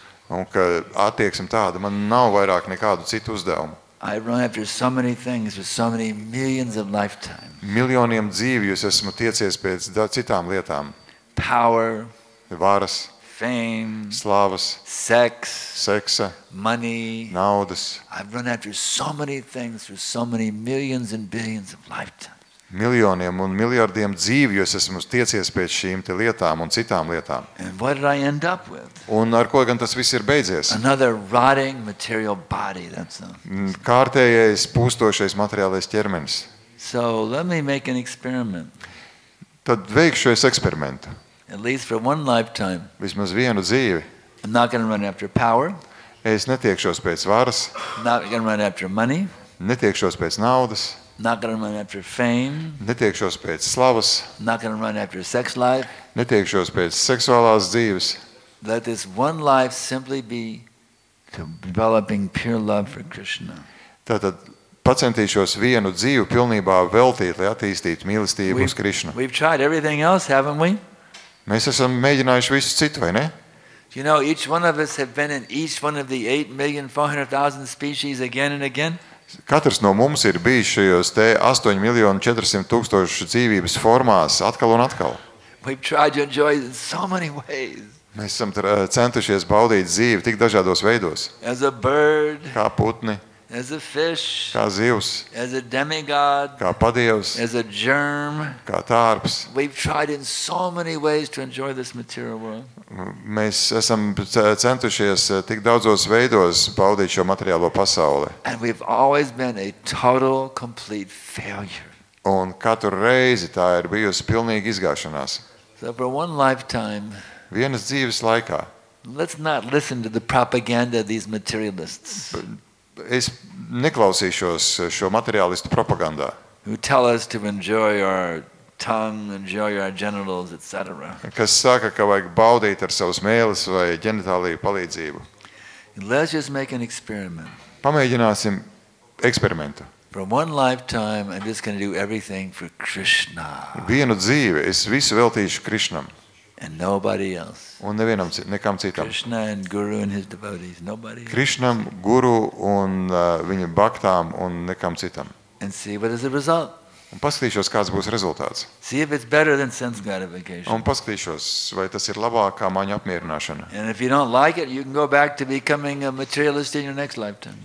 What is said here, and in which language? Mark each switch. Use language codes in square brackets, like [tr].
[lv] Un ka attieksim tādu, man nav vairāk nekādu citu uzdevumu. [en] I run after so many things with so many millions of lifetime. [lv] Miljoniem dzīvi jūs esmu tiecies pēc citām lietām. [en] Power, [lv] varas, [en] fame, [lv] slavas, [en] sex, [lv] seksa, [en] money, [lv] naudas. [en] I run after so many things with so many millions and billions of lifetime. [lv] Miljoniem un miljardiem dzīvi jūs esmu tiecies pēc šīm te lietām un citām lietām. [en] And what did I end up with? [lv] Un ar ko gan tas viss ir beidzies? [en] Another rotting material body, that's all. [lv] Kārtējais pūstošais materiālais ķermenis. [en] So let me make an experiment. [lv] Tad veikšu es eksperimentu. [en] At least for one lifetime. [lv] Vismaz vienu dzīvi. [en] I'm not going to run after power. [lv] Es netiekšos pēc varas. [en] Not going to run after money. [lv] Netiekšos pēc naudas. [en] Not going to run after fame. [lv] Netiekšos pēc slavas. [en] Not going to run after sex life. [lv] Netiekšos pēc seksuālās dzīves. [en] Let this one life simply be to developing pure love for Krishna. [lv] Tātad pacentīšos vienu dzīvi pilnībā veltīt, lai attīstītu mīlestību uz Krišnu. [en] We've tried everything else, haven't we? [lv] Mēs esam mēģinājuši visu citu, vai ne? [en] You know, each one of us have been in each one of the 8,400,000 species again and again. [lv] Katrs no mums ir bijis šajos te 8,400,000 dzīvības formās atkal un atkal. [en] We've tried to enjoy it in so many ways. [lv] Mēs esam centušies baudīt dzīvi tik dažādos veidos. [en] As a bird. [lv] Kā putni. [en] As a fish. [lv] Kā zivs. [en] As a demigod. [lv] Kā padievs. [en] As a germ. [lv] Kā tārps. [en] We've tried in so many ways to enjoy this material world. [lv] Mēs esam centušies tik daudzos veidos baudīt šo materiālo pasauli. [en] And we've always been a total complete failure. [lv] Un katru reizi tā ir bijusi pilnīga izgāšanās. [en] So for one lifetime. [lv] Vienas dzīves laikā. [en] Let's not listen to the propaganda of these materialists. [lv] Es neklausīšos šo materialistu propagandā. [en] Who tell us to enjoy our tongue, enjoy our genitals, etc. [lv] Kas saka, ka vajag baudīt ar savus mēles vai ģenitāliju palīdzību. [en] Let's just make an experiment. [lv] Pamēģināsim eksperimentu. [en] For one lifetime I'm just going to do everything for Krishna. [lv] Vienu dzīvi es visu veltīšu Krišnam. [en] And nobody else. [lv] Un nevienam nekam citam. [en] Krishna and guru and his devotees, nobody. [lv] Krishnam, guru un viņa baktām un nekam citam. [en] And see what is the result. [lv] Un paskatīšos, kāds būs rezultāts. [en] See if it's better than sense gratification. [lv] Un paskatīšos, vai tas ir labākā maņa apmierināšana. [en] And if you don't like it, you can go back to becoming a materialist in your next lifetime.